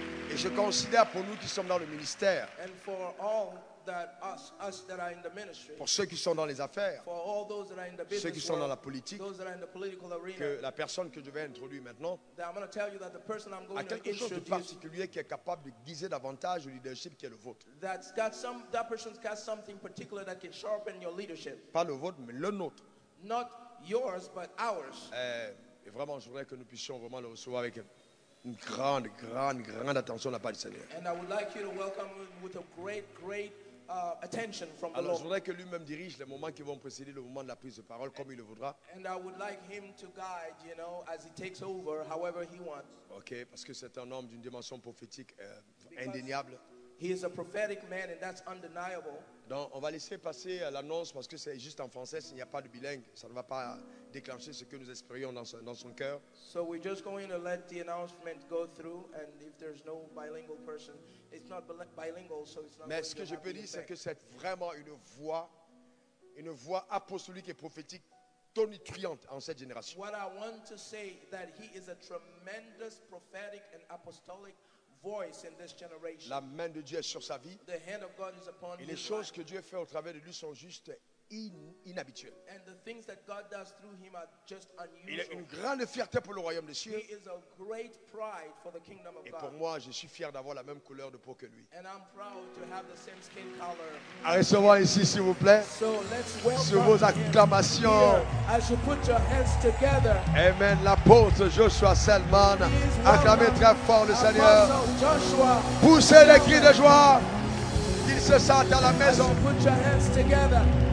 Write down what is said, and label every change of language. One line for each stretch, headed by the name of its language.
French: Et je considère pour nous qui sommes dans le ministère.
English: And for all that us that are in the ministry,
French: pour ceux qui sont dans les affaires,
English: for all those that are in the business,
French: ceux qui sont
English: world,
French: dans la politique,
English: those that are in the political arena,
French: que la personne que je vais introduire maintenant
English: I'm going to tell you that the person I'm going
French: a quelque
English: to introduce,
French: chose de particulier qui est capable de guiser davantage le leadership qui est le vôtre.
English: That's got some, that person's got something particular that can sharpen your leadership.
French: Pas le vôtre, mais le nôtre.
English: Not yours, but ours.
French: Et vraiment, je voudrais que nous puissions vraiment le recevoir avec une grande, grande, grande attention de la part du Seigneur.
English: And I would like you to welcome with a great, great attention from
French: Alors, je voudrais que lui-même dirige les moments qui vont précéder le moment de la prise de parole comme il le voudra.
English: And I would like him to guide, you know, as he takes over, however he wants.
French: Okay, parce que c'est un homme d'une dimension prophétique indéniable.
English: He is a prophetic man, and that's undeniable.
French: Donc, on va laisser passer l'annonce parce que c'est juste en français. S'il n'y a pas de bilingue, ça ne va pas déclencher ce que nous espérions dans son cœur.
English: So we're just going to let the announcement go through, and if there's no bilingual person. It's not bilingual, so it's not
French: Mais ce que je peux dire, c'est que c'est vraiment une voix apostolique et prophétique tonitruante en cette génération.
English: What I want to say that he is a tremendous prophetic and apostolic voice in this generation.
French: La main de Dieu est sur sa vie.
English: The hand of God is upon
French: et les choses que Dieu fait au travers de lui sont juste inhabituelles.
English: And the things that God does through him are just unusual.
French: Il a une grande fierté pour le royaume des cieux.
English: He is a great pride for the kingdom of
French: Et pour
English: God.
French: Moi, je suis fier d'avoir la même couleur de peau que lui.
English: And I'm proud to have the same skin color.
French: À recevoir ici, s'il vous plaît.
English: So let's welcome
French: sur vos acclamations.
English: Here, as you put your hands together.
French: Amen. L'apôtre Joshua Selman. Acclamez très fort le Seigneur. Joshua. Poussez les cris de joie. Qu'il se sente à la maison.
English: As you put your hands together.